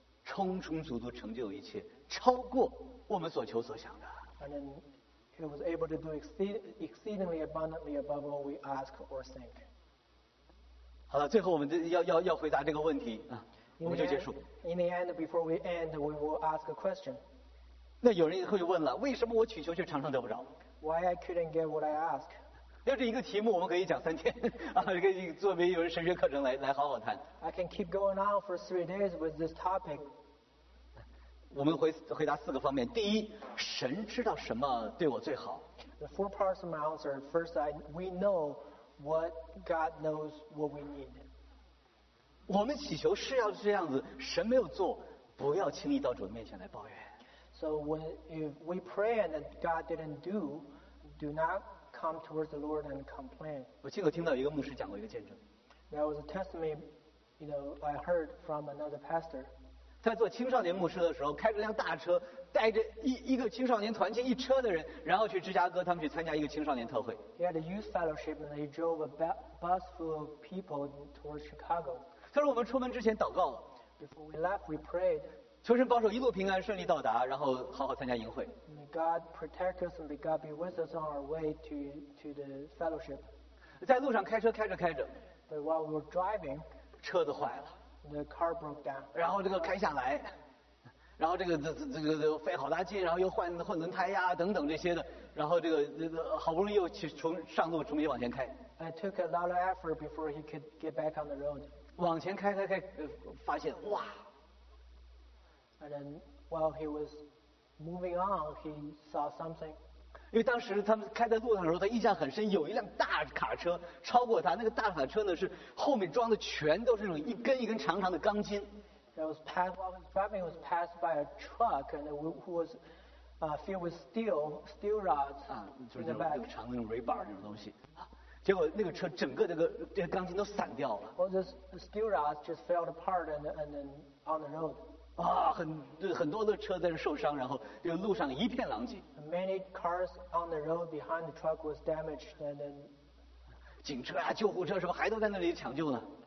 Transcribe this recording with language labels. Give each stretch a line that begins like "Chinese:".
Chinese: 充充足足成就一切，超过我们所求所想的。
English: And then he was able to do exceedingly abundantly above what we ask or think.
Chinese: 好了，最后我们要回答这个问题啊，我们就结束。
English: In the end, before we end, we will ask a question.
Chinese: 那有人以后就问了，为什么我祈求却常常得不着
English: ？Why I couldn't get what I ask?
Chinese: 要这一个题目，我们可以讲三天啊，可以作为有人神学课程来好好谈。
English: I can keep going on for 3 days with this topic.
Chinese: 我们回答四个方面。第一，神知道什么对我最好。
English: The four parts of my answer. First, we know what God knows what we need.
Chinese: 我们祈求是要这样子，神没有做，不要轻易到主的面前来抱怨。
English: So when if we pray and God didn't do, do not come towards the Lord and complain.
Chinese: 我亲口听到一个牧师讲过一个见证。
English: There was a testimony, you know, I heard from another pastor.
Chinese: 在做青少年牧师的时候，开着辆大车，带着一个青少年团契一车的人，然后去芝加哥，他们去参加一个青少年特会。
English: He had a youth fellowship and he drove a bus full of people towards Chicago.
Chinese: 他说我们出门之前祷告了。
English: Before we left, we prayed.
Chinese: 求神保守一路平安顺利到达，然后好好参加营会。
English: May God protect us and may God be with us on our way to the fellowship.
Chinese: 在路上开车开着开着
English: ，But while we were driving,
Chinese: 车子坏了。
English: The car broke down.
Chinese: 然后这个开下来，然后这个费好大劲，然后又换轮胎呀等等这些的，然后这个好不容易又去从上路重新往前开。
English: It took a lot of effort before he could get back on the road.
Chinese: 往前开，发现哇。
English: And then while he was moving on, he saw something.
Chinese: 因为当时他们开在路上的时候，他印象很深，有一辆大卡车超过他。那个大卡车呢，是后面装的全都是那种一根一根长长的钢筋。
English: It was passed while his driving was passed by a truck and who was filled with steel rods.
Chinese: 啊，就是那种长的那种 rebar 那种东西。啊，结果那个车整个这个钢筋都散掉了。
English: Well, the steel rods just fell apart and then on the road.
Chinese: 啊，很多的车在那受伤，然后这路上一片狼藉。
English: Many cars on the road behind the truck was damaged, and then
Chinese: 警车啊、救护车什么还都在那里抢救呢。